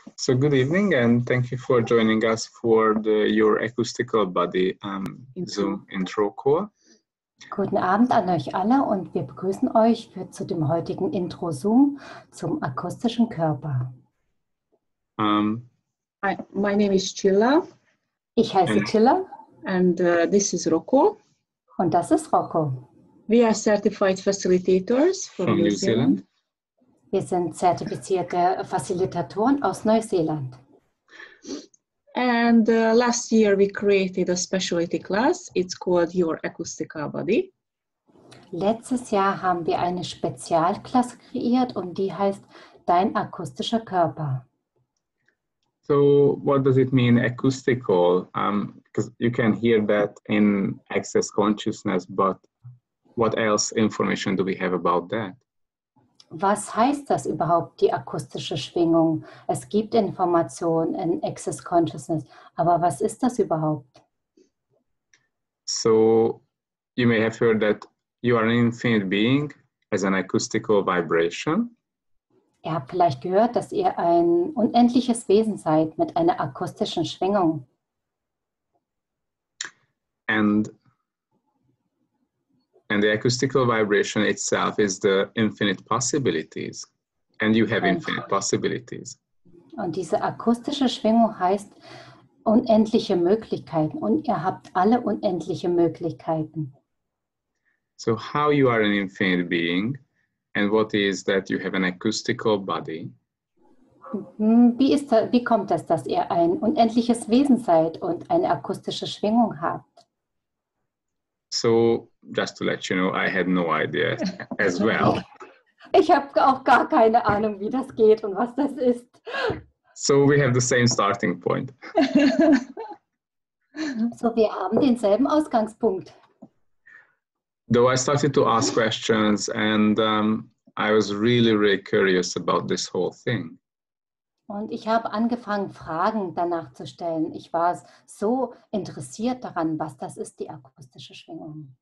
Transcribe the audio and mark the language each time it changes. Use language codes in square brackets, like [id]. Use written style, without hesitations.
[en] So good evening, and thank you for joining us for the your Acoustical Body Zoom intro call. [de] Guten Abend an euch alle und wir begrüßen euch für zu dem heutigen Intro Zoom zum akustischen Körper. [en] My name is Chilla. [de] Ich heiße Chilla. [en] And this is Rocco. [de] Und das ist Rocco. [en] We are certified facilitators from New Zealand. [de] Wir sind zertifizierte Facilitatoren aus Neuseeland. [en] And last year we created a specialty class. It's called Your Acoustical Body. [de] Letztes Jahr haben wir eine Spezialklasse kreiert und die heißt Dein akustischer Körper. [en] So what does it mean acoustical? Because you can hear that in access consciousness, but what else information do we have about that? [de] Was heißt das überhaupt, die akustische Schwingung? Es gibt Informationen in Access Consciousness, aber was ist das überhaupt? [en] So, you may have heard that you are an infinite being as an acoustical vibration. [de] Ihr habt vielleicht gehört, dass ihr ein unendliches Wesen seid mit einer akustischen Schwingung. [en] And the acoustical vibration itself is the infinite possibilities, and you have infinite possibilities. [de] Und diese akustische Schwingung heißt unendliche Möglichkeiten, und ihr habt alle unendliche Möglichkeiten. [en] So how you are an infinite being, and what is that you have an acoustical body? [de] Wie kommt das, dass ihr ein unendliches Wesen seid und eine akustische Schwingung habt? [en] So, just to let you know, I had no idea as well. [de] Ich habe auch gar keine Ahnung, wie das geht und was das ist. [en] So, we have the same starting point. [de] So, wir haben denselben Ausgangspunkt. [en] Though I started to ask questions and I was really, really curious about this whole thing. [de] Und ich habe angefangen, Fragen danach zu stellen. Ich war so interessiert daran, was das ist, die akustische Schwingung.